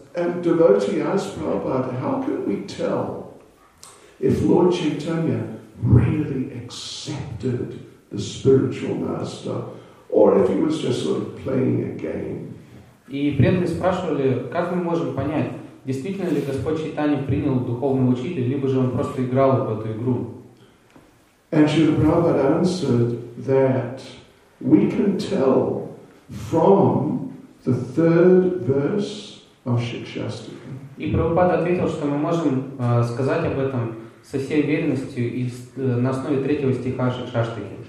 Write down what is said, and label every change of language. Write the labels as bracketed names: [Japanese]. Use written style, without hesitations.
[English] Really master, or if he was just sort of playing a game. [Russian] И преданные спрашивали, как мы можем понять, действительно ли Господь Чайтанья принял духовного учителя, либо же он просто играл в эту игру. [English] And Srila Prabhupada answered that we can tell from the third verse of Shikshastika. [Russian] И Прабхупада ответил, что мы можем сказать об этом со всей уверенностью и на основе третьего стиха Шикшаштики.